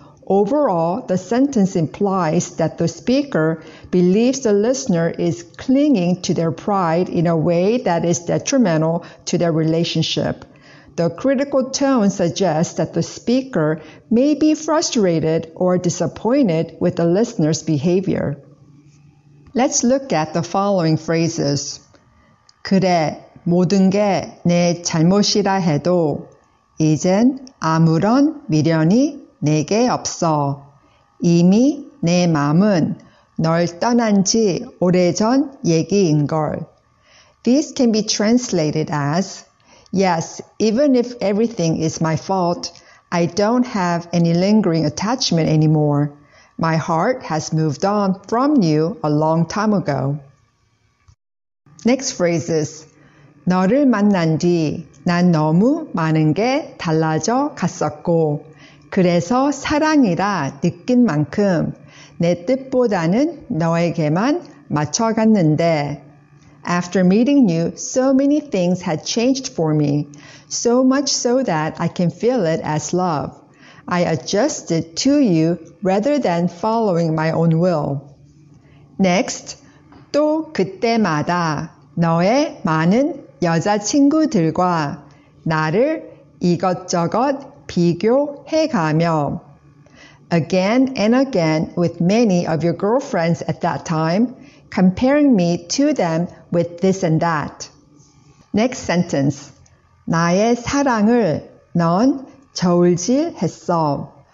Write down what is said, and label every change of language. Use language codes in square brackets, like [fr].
[en] Overall, the sentence implies that the speaker believes the listener is clinging to their pride in a way that is detrimental to their relationship. The critical tone suggests that the speaker may be frustrated or disappointed with the listener's behavior. Let's look at the following phrases. [ko] 그래, 모든 게 내 잘못이라 해도 이젠 아무런 미련이 내게 없어. 이미 내 마음은 널 떠난 지 오래전 얘기인걸. [en] This can be translated as, yes, even if everything is my fault, I don't have any lingering attachment anymore. My heart has moved on from you a long time ago. Next phrase is, [ko] 너를 만난 뒤 난 너무 많은 게 달라져 갔었고, 그래서 사랑이라 느낀 만큼 내 뜻보다는 너에게만 맞춰갔는데. [en] After meeting you, so many things had changed for me, so much so that I can feel it as love. I adjusted to you rather than following my own will. Next, [ko] 또 그때마다 너의 많은 여자친구들과 나를 이것저것 비교해가며. [en] Again and again with many of your girlfriends at that time, comparing me to them with this and that. Next sentence. [ko] 나의 사랑을 넌 저울질했어.